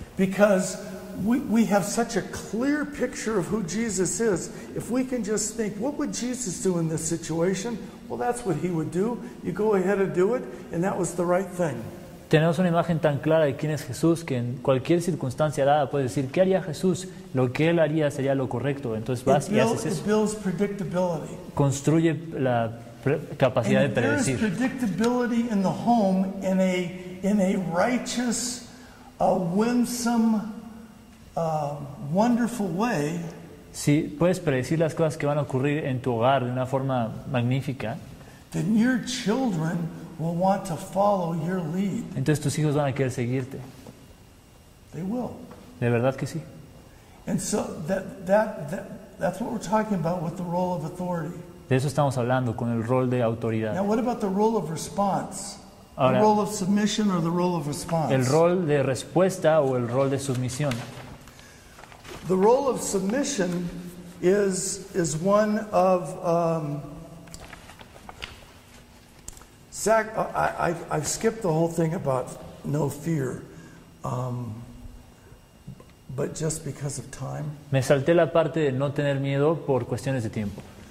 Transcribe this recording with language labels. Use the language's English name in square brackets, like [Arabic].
[English] Because we have such a clear picture of who Jesus is. If we can just think, what would Jesus do in this situation? Well, that's what he would do. You go ahead and do it, and that was the right thing. [Spanish] Tenemos una imagen tan clara de quién es Jesús que en cualquier circunstancia dada puedes decir, ¿qué haría Jesús? Lo que él haría sería lo correcto. Entonces vas y haces eso. [English] It builds predictability. [Spanish] Construye la capacidad de predecir. [English] There is predictability in the home in a righteous, a winsome, wonderful way. [Spanish] Si puedes predecir las cosas que van a ocurrir en tu hogar de una forma magnífica, [English] then your children will want to follow your lead. [Spanish] Entonces tus hijos van a querer seguirte. [English] They will. [Spanish] De verdad que sí. [English] And so that's what we're talking about with the role of authority. [Spanish] De eso estamos hablando con el rol de autoridad. [English] Now what about the role of response? [Spanish] Ahora, [English] the role of submission or the role of response? [Spanish] El rol de respuesta o el rol de sumisión. [English] The role of submission is one of I've skipped the whole thing about no fear, but just because of time. [Spanish] Me salté la parte de no tener miedo por cuestiones de tiempo.